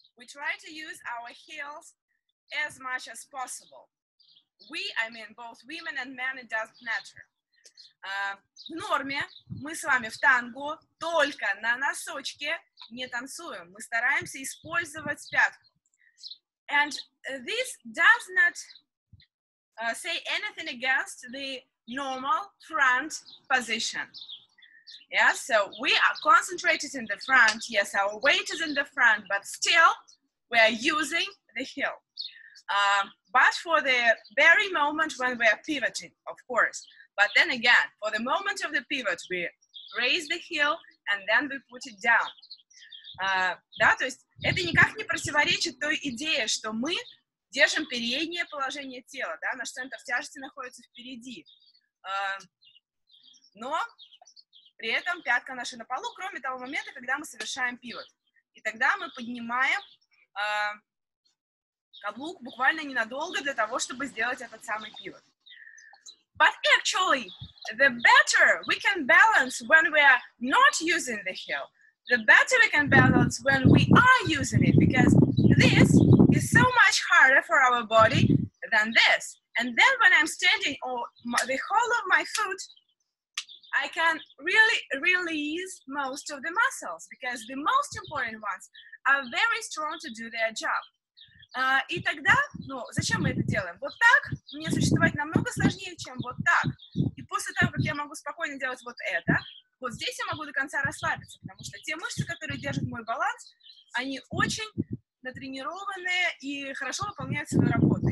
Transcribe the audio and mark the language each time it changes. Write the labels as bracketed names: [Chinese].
[English] We try to use our heels as much as possible. We, I mean, both women and men, it doesn't matter. [Russian] В норме мы с вами в танго только на носочке не танцуем. Мы стараемся использовать пятку. [English] And this does not say anything against the normal front position. Yeah, so we are concentrated in the front. Yes, our weight is in the front, but still we are using the heel. But for the very moment when we are pivoting, of course. But then again, for the moment of the pivot, we raise the heel and then we put it down. [Russian] Да, то есть это никак не противоречит той идее, что мы держим переднее положение тела, да, наш центр тяжести находится впереди. Но при этом пятка наша на полу, кроме того момента, когда мы совершаем пивот. И тогда мы поднимаем каблук буквально ненадолго для того, чтобы сделать этот самый пивот. [English] But actually, the better we can balance when we are not using the heel, the better we can balance when we are using it, because this is so much harder for our body than this. And then when I'm standing on the whole of my foot, I can really release most of the muscles, because the most important ones are very strong to do their job. [Russian] И тогда, ну, зачем мы это делаем? Вот так мне существовать намного сложнее, чем вот так. И после того, как я могу спокойно делать вот это, вот здесь я могу до конца расслабиться, потому что те мышцы, которые держат мой баланс, они очень натренированные и хорошо выполняют свою работу.